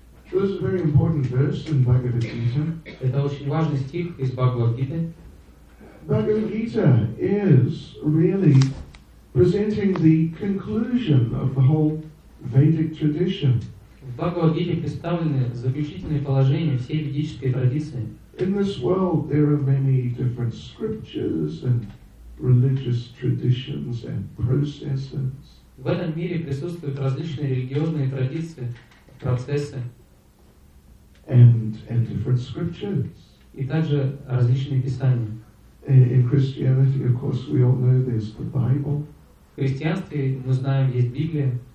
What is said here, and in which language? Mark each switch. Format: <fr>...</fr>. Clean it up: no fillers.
<en>This is a very important verse in Bhagavad Gita.</en> <ru>Это очень важный стих из Бхагавад Гиты.</ru> <en>Bhagavad Gita is really presenting the conclusion of the whole Vedic tradition.</en> <ru>В Бхагавад Гите представлены заключительные положения всей ведической традиции.</ru> <en>In this world there are many different scriptures and religious traditions and processes.</en> <ru>В этом мире присутствуют различные религиозные традиции, процессы.</ru> <en>And different scriptures.</en> <ru>И также различные писания.</ru> <en>In Christianity, of course, we all know there's the Bible.</en> <ru>В христианстве мы знаем, есть Библия.</ru>